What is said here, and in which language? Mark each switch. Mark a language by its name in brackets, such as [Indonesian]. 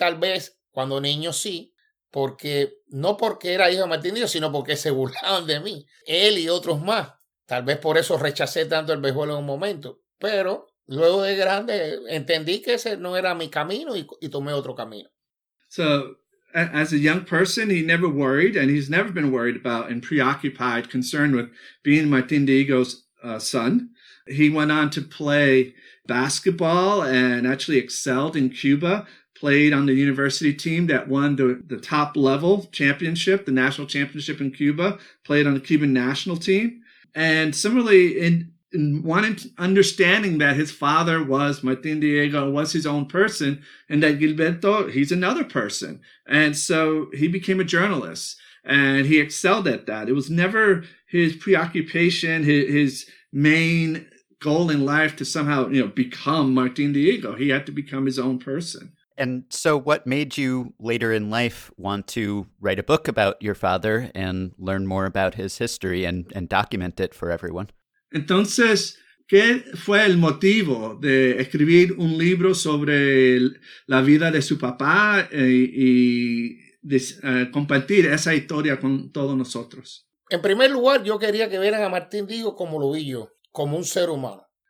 [Spanish] Tal vez cuando niño sí, porque no porque era hijo de Martín Diego, sino porque se burlaban de mí. Él y otros más. Tal vez por eso rechacé tanto el béisbol en un momento. Pero luego de grande entendí que ese no era mi camino y tomé otro camino. [English] So, as a young person, he never worried, and he's never been worried about and preoccupied, concerned with being Martin Diego's son. He went on to play basketball and actually excelled in Cuba, played on the university team that won the top level championship, the national championship in Cuba, played on the Cuban national team. And similarly, understanding that his father was Martin Diego, was his own person, and that Gilberto, he's another person. And so he became a journalist and he excelled at that. It was never his preoccupation, his main goal in life to somehow, you know, become Martin Diego. He had to become his own person. And so what made you later in life want to write a book about your father and learn more about his history and document it for everyone? [Spanish] Entonces, ¿qué fue el motivo de escribir un libro sobre la vida de su papá y compartir esa historia con todos nosotros? En primer lugar, yo quería que vieran a Martín Diego como lo vi yo, como un ser humano.